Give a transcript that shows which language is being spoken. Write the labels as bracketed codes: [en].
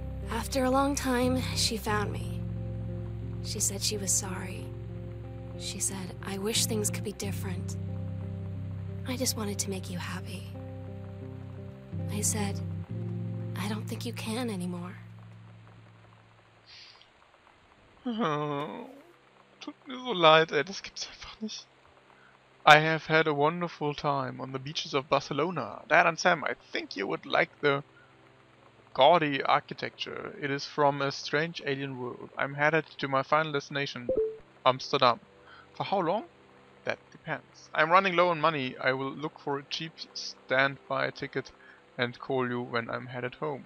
[en] After a long time, she found me. She said she was sorry. She said, I wish things could be different. I just wanted to make you happy. I said, I don't think you can anymore. [de] Oh, tut mir so leid, ey, das gibt's einfach nicht. [en] I have had a wonderful time on the beaches of Barcelona. Dad and Sam, I think you would like the gaudy architecture. It is from a strange alien world. I'm headed to my final destination, Amsterdam. For how long? That depends. I'm running low on money. I will look for a cheap standby ticket and call you when I'm headed home.